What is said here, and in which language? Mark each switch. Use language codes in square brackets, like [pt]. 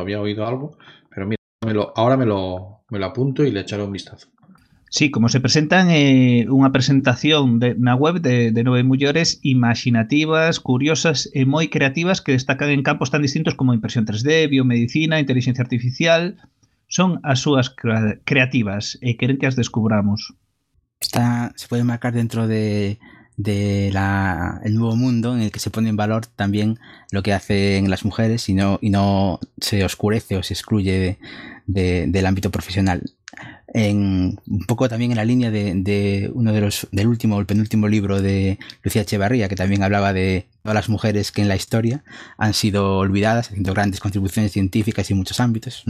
[es] Había oído algo, pero mira, me lo apunto y le echaré un vistazo. Sí, como se presentan una presentación de una web de 9 mujeres imaginativas, curiosas y muy creativas que destacan en campos tan distintos como impresión 3D, biomedicina, inteligencia artificial. [gl] Son as súas creativas e queren que as descubramos. [es] Esta [gl] se pode marcar [es] dentro de la el nuevo mundo en el que se pone en valor también lo que hacen las mujeres y no se oscurece o se excluye del ámbito profesional. En un poco también en la línea de uno de los del último o el penúltimo libro de Lucía Echevarría, que también hablaba de todas las mujeres que en la historia han sido olvidadas, haciendo grandes contribuciones científicas y en muchos ámbitos.